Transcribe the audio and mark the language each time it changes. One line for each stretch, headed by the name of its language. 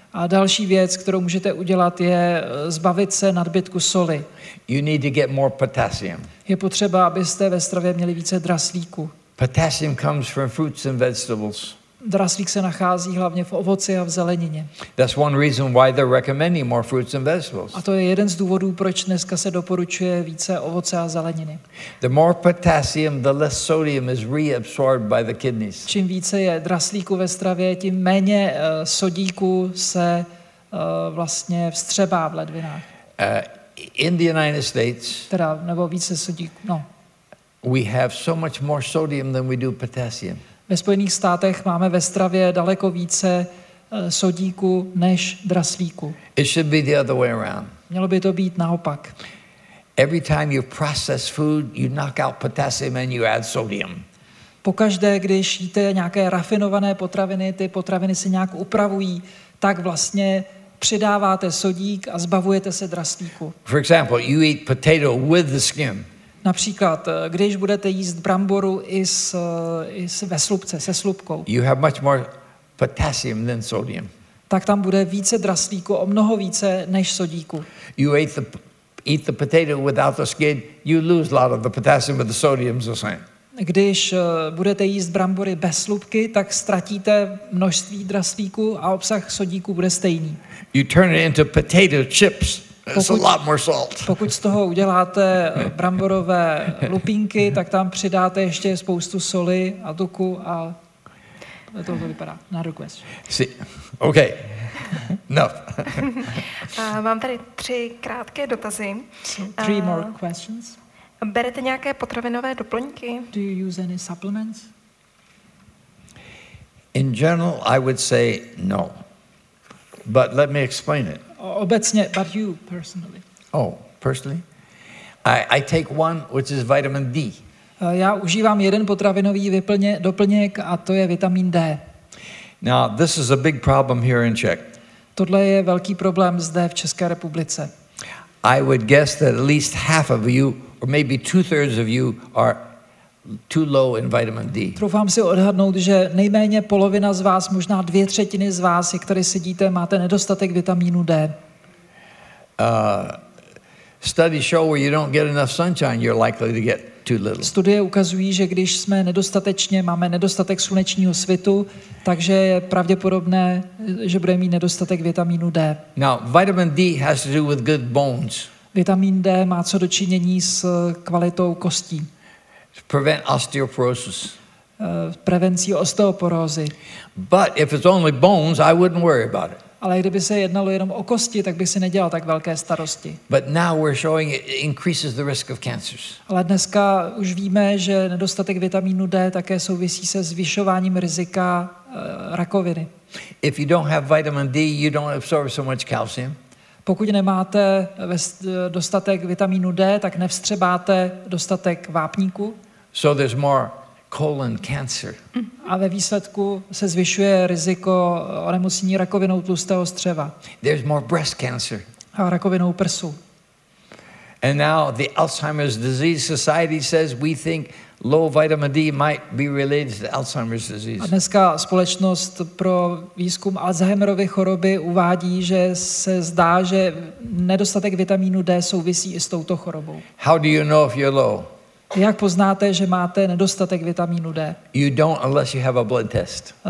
Czech: A další věc, kterou můžete udělat, je zbavit se nadbytku soli.
English: You need to get more potassium.
Czech: Je potřeba, abyste ve stravě měli více draslíku.
English: Potassium comes from fruits and vegetables.
Czech: Draslík se nachází hlavně v ovoci a v zelenině.
English: That's one reason why they're recommending more fruits and vegetables.
Czech: A to je jeden z důvodů, proč dneska se doporučuje více ovoce a zeleniny.
English: The more potassium, the less sodium is reabsorbed by the kidneys.
Czech: Čím více je draslíku ve stravě, tím méně sodíku se vlastně vstřebá v ledvinách.
English: In the United States.
Czech: Teda, nebo více sodíku, no.
English: We have so much more sodium than we do potassium.
Czech: Ve Spojených státech máme ve stravě daleko více sodíku než draslíku.
English: It should be the other way around.
Czech: Mělo by to být naopak.
English: Every time you process food, you knock out potassium and you add sodium.
Czech: Pokaždé, když jíte nějaké rafinované potraviny, ty potraviny se nějak upravují, tak vlastně přidáváte sodík a zbavujete se draslíku.
English: For example, you eat potato with the skin.
Czech: Například, když budete jíst bramboru i s ve slupce, se slupkou,
English: you have much more potassium than sodium.
Czech: Tak tam bude více draslíku, o mnoho více než sodíku.
English: You ate the eat the potato without the skin, you lose a lot of the potassium, but the sodium is the same.
Czech: Když budete jíst brambory bez slupky, tak ztratíte množství draslíku a obsah sodíku bude stejný.
English: You turn it into potato chips. It's a lot more salt.
Czech: Pokud z toho uděláte bramborové lupinky, tak tam přidáte ještě spoustu soli a tuku a to vypadá. Na request. Si. Okay. No. Mám tady tři krátké dotazy.
English: Three more questions.
Czech: Berete nějaké potravinové doplňky?
English: Do you use any supplements? In general, I would say no. But let me explain it.
Czech: Obecně,
English: but you personally. Oh, personally? I take one, which is vitamin D.
Czech: Já užívám jeden potravinový doplněk a to je vitamin D.
English: Now, this is a big problem here in Czech.
Czech: Tohle je velký problém zde v České republice.
English: I would guess that at least half of you or maybe 2/3 of you are too low in vitamin D.
Czech: Troufám si odhadnout, že nejméně polovina z vás, možná 2/3 z vás, kteří sedíte, máte nedostatek vitamínu D.
English: Studies show where you don't get enough sunshine, you're likely to get too little.
Czech: Studie ukazují, že když jsme nedostatečně máme nedostatek slunečního svitu, takže je pravděpodobné, že budeme mít nedostatek vitamínu D.
English: Now, vitamin D has to do with good bones.
Czech: Vitamin D má co dočinění s kvalitou kostí.
English: Prevent osteoporosis.
Czech: Prevencí osteoporózy.
English: But if it's only bones, I wouldn't worry about it.
Czech: Ale kdyby se jednalo jenom o kosti, tak bych si nedělal tak velké starosti.
English: But now we're showing it increases the risk of cancers.
Czech: Ale dneska už víme, že nedostatek vitamínu D také souvisí se zvyšováním rizika rakoviny.
English: If you don't have vitamin D, you don't absorb so much calcium.
Czech: Pokud nemáte dostatek vitamínu D, tak nevstřebáte dostatek vápníku.
English: So there's more colon cancer.
Czech: A ve výsledku se zvyšuje riziko onemocnění rakovinou tlustého střeva.
English: There's more breast cancer.
Czech: A rakovinou prsu.
English: And now the Alzheimer's Disease Society says we think low vitamin D might be related to Alzheimer's disease.
Czech: A dneska společnost pro výzkum Alzheimerovy choroby uvádí, že se zdá, že nedostatek vitamínu D souvisí i s touto chorobou.
English: How do you know if you're low?
Czech: Jak poznáte, že máte nedostatek vitamínu D?
English: You don't unless you have a blood test.